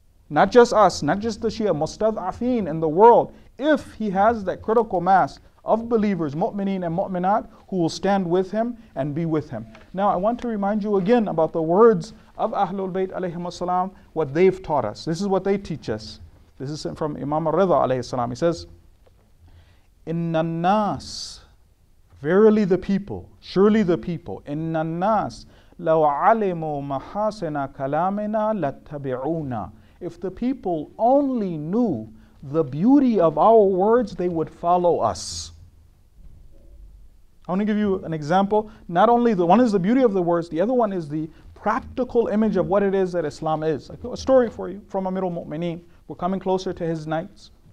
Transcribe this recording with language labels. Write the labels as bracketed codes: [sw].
[en] Not just us, not just the Shia, mustad'afin in the world. If he has that critical mass of believers, mu'mineen and mu'minat, who will stand with him and be with him. Now I want to remind you again about the words of Ahlul Bayt alayhim as-salam, what they've taught us. This is what they teach us. This is from Imam al-Ridha alayhi as-salam. He says, [ar] إِنَّ النَّاسِ, [en] verily the people, surely the people, [ar] إِنَّ النَّاسِ لَوْ عَلِمُوا مَحَاسِنَا كَلَامِنَا لَتَّبِعُونَا. [en] If the people only knew the beauty of our words, they would follow us. I want to give you an example. Not only the one is the beauty of the words, the other one is the practical image of what it is that Islam is. A story for you from Amir al-Mu'mineen. We're coming closer to his nights.